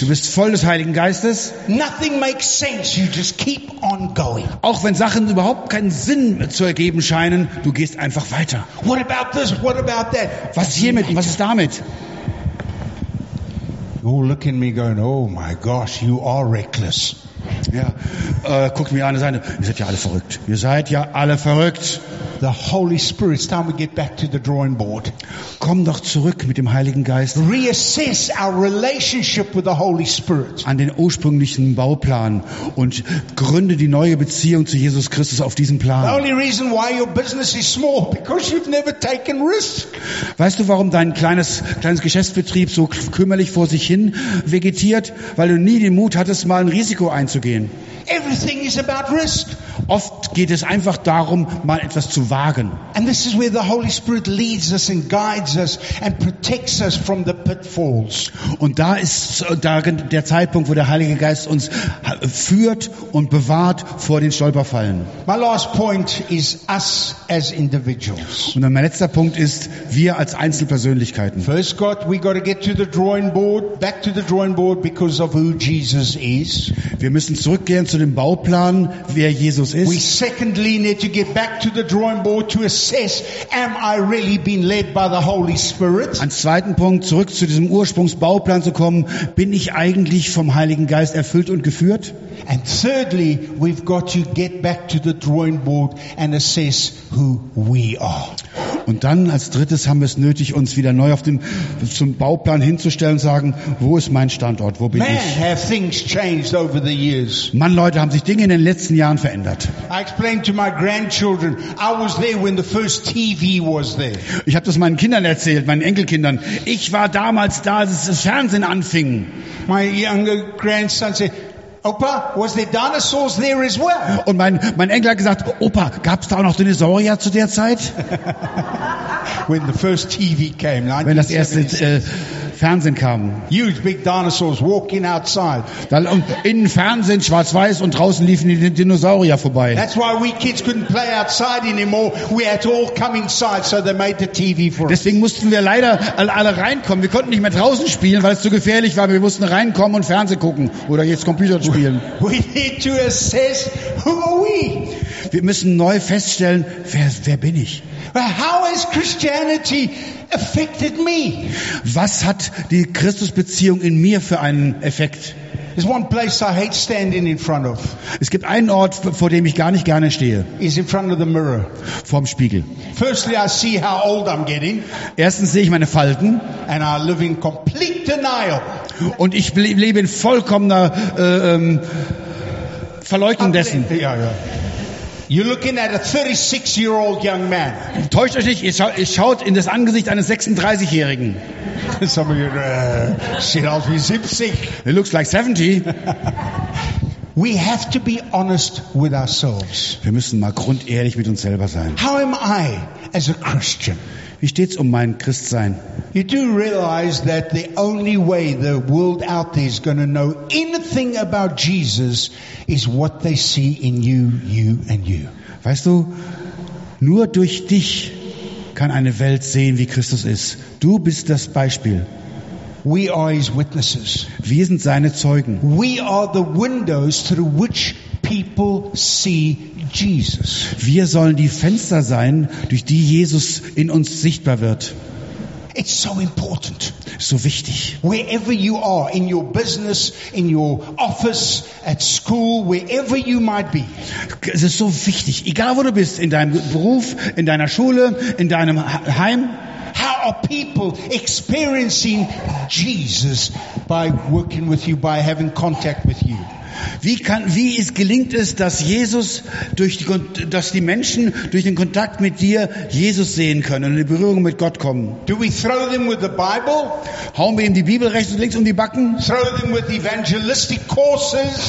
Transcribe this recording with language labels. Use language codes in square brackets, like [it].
[de] Du bist voll des Heiligen Geistes. [en] Nothing makes sense. You just keep on going. [de] Auch wenn Sachen überhaupt keinen Sinn zu ergeben scheinen, du gehst einfach weiter. [en] What about this? What about that? [de] Was hiermit? Was ist damit? [en] You all look at me going, oh my gosh, you are reckless. [de] Ja, guckt mir an, ihr seid ja alle verrückt. Ihr seid ja alle verrückt. [en] The Holy Spirit, it's time we get back to the drawing board. [de] Komm doch zurück mit dem Heiligen Geist. [en] Reassess our relationship with the Holy Spirit. [de] An den ursprünglichen Bauplan und gründe die neue Beziehung zu Jesus Christus auf diesem Plan. [en] The only reason why your business is small, because you've never taken risks. [de] Weißt du, warum dein kleines Geschäftsbetrieb so kümmerlich vor sich hin vegetiert? Weil du nie den Mut hattest, mal ein Risiko einzugehen. [en] Everything is about risk. [de] Oft geht es einfach darum, mal etwas zu wagen. [en] And this is where the Holy Spirit leads us and guides us and protects us from the pitfalls. [de] Und da ist der Zeitpunkt, wo der Heilige Geist uns führt und bewahrt vor den Stolperfallen. [en] My last point is us as individuals. [de] Und mein letzter Punkt ist wir als Einzelpersönlichkeiten. [en] First, God, we got to get to the drawing board, back to the drawing board because of who Jesus is. [de] Wir müssen zurückgehen zu dem Bauplan, wer Jesus ist. [en] We secondly need to get back to the drawing board to assess, am I really being led by the Holy Spirit? [de] Ein zweiten Punkt, zurück zu diesem Ursprungsbauplan zu kommen, bin ich eigentlich vom Heiligen Geist erfüllt und geführt? [en] And thirdly, we've got to get back to the drawing board and assess who we are. [de] Und dann als drittes haben wir es nötig, uns wieder neu auf den zum Bauplan hinzustellen und sagen, wo ist mein Standort, wo bin [en] Man, [de] ich? [en] Have things changed over the years. [de] Mann, Leute, haben sich Dinge in den letzten Jahren verändert. [en] I explained to my grandchildren, I was there when the first TV was there. [de] Ich habe das meinen Kindern erzählt, meinen Enkelkindern. Ich war damals da, als das Fernsehen anfing. [en] My younger grandson said, Opa, was there dinosaurs there as well? [de] Und mein Enkel hat gesagt, Opa, gab es da auch noch Dinosaurier zu der Zeit? [en] When the first TV came, [de] wenn das erste Fernsehen kam. [en] Huge big dinosaurs walking outside. [de] Dann in Fernsehen schwarz-weiß und draußen liefen die Dinosaurier vorbei. [en] That's why we kids couldn't play outside anymore. We had to all come inside, so they made the TV for us. [de] Deswegen mussten wir leider alle reinkommen. Wir konnten nicht mehr draußen spielen, weil es zu gefährlich war. Wir mussten reinkommen und Fernsehen gucken oder jetzt Computer spielen. [en] We need to assess who are we. [de] Wir müssen neu feststellen, wer bin ich? [en] How has Christianity affected me? [de] Was hat die Christusbeziehung in mir für einen Effekt? [en] There's one place I hate standing in front of. [de] Es gibt einen Ort, vor dem ich gar nicht gerne stehe. [en] Is in front of the mirror. [de] Vorm Spiegel. [en] Firstly, I see how old I'm getting. [de] Erstens sehe ich meine Falten. [en] And I live in complete denial. [de] Und ich lebe in vollkommener Verleugnung dessen. Ja, ja. [en] You're looking at a 36-year-old young man. [de] Täuscht euch nicht, ihr schaut in das Angesicht eines 36-Jährigen. [en] Some of you [de] sieht aus wie 70. [en] It looks like 70. We have to be honest with ourselves. [de] Wir müssen mal grundehrlich mit uns selber sein. [en] How am I as a Christian? [de] Wie steht's um mein Christsein? [en] You do realize that the only way the world out there is going to know anything about Jesus is what they see in you, you and you. [de] Weißt du, nur durch dich kann eine Welt sehen, wie Christus ist. Du bist das Beispiel. [en] We are his witnesses. [de] Wir sind seine Zeugen. [en] We are the windows through which people see Jesus. [de] Wir sollen die Fenster sein, durch die Jesus in uns sichtbar wird. [en] It's so important. [de] So wichtig. [en] Wherever you are, in your business, in your office, at school, wherever you might be. [de] Es ist so wichtig, egal wo du bist, in deinem Beruf, in deiner Schule, in deinem Heim. [en] How are people experiencing Jesus by working with you, by having contact with you? [de] Wie gelingt es, dass Jesus dass die Menschen durch den Kontakt mit dir Jesus sehen können und in Berührung mit Gott kommen? [en] Do we throw them with the Bible? [de] Hauen wir ihm die Bibel rechts und links um die Backen? [en] Throw them with evangelistic courses?